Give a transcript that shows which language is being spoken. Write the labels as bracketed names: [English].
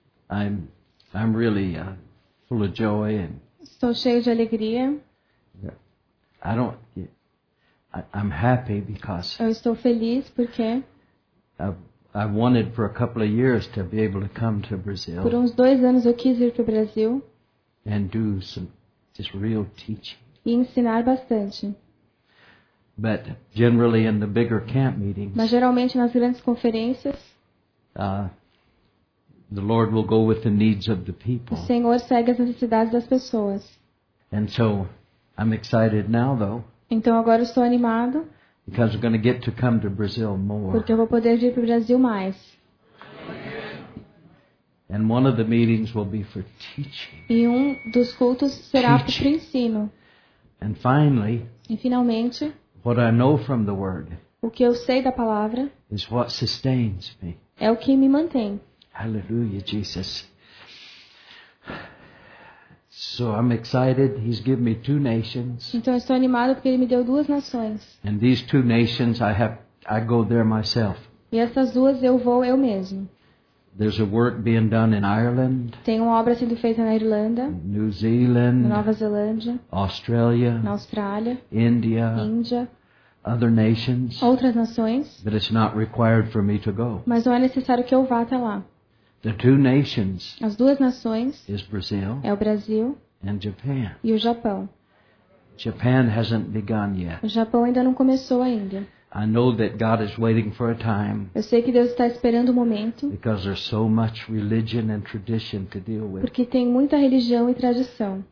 [English] I'm really full of joy and [Portuguese] estou cheio de alegria. [English] I'm happy because [Portuguese] eu estou feliz porque [English] I wanted for a couple of years to be able to come to Brazil. [Portuguese] Por uns 2 anos eu quis ir para o Brasil [English] and do some just real teaching. [Portuguese] E ensinar bastante. [English] But generally in the bigger camp meetings. [Portuguese] Mas geralmente nas grandes conferências [English] The Lord will go with the needs of the people. [Portuguese] O Senhor segue as necessidades das pessoas. [English] And so, I'm excited now, though. [Portuguese] Então agora estou animado. [English] Because we're going to get to come to Brazil more. [Portuguese] Porque eu vou poder vir para o Brasil mais. [English] And one of the meetings will be for teaching. [Portuguese] E dos cultos será para o ensino. [English] And finally. [Portuguese] E finalmente. [English] What I know from the Word. [Portuguese] O que eu sei da palavra. [English] Is what sustains me. [Portuguese] É o que me mantém. Aleluia, Jesus. [English] So I'm excited. He's given me 2 nations. [Portuguese] Então estou animado porque ele me deu 2 nações. [English] And these 2 nations, I go there myself. [Portuguese] E essas 2 eu vou eu mesmo. [English] There's a work being done in Ireland. [Portuguese] Tem uma obra sendo feita na Irlanda. [English] New Zealand. [Portuguese] Nova Zelândia. [English] Australia. [Portuguese] Na Austrália. [English] India. [Portuguese] Índia. [English] Other nations, [Portuguese] outras nações, [English] but it's not required for me to go. [Portuguese] Mas não é necessário que eu vá até lá. [English] The two nations. [Portuguese] As duas nações. [English] Is Brazil. [Portuguese] É o Brasil. [English] And Japan. [Portuguese] E o Japão. [English] Japan hasn't begun yet. [Portuguese] O Japão ainda não começou ainda. [English] I know that God is waiting for a time. [Portuguese] Eu sei que Deus está esperando um momento. [English] Because there's so much religion and tradition to deal with. [Portuguese] Porque tem muita religião e tradição.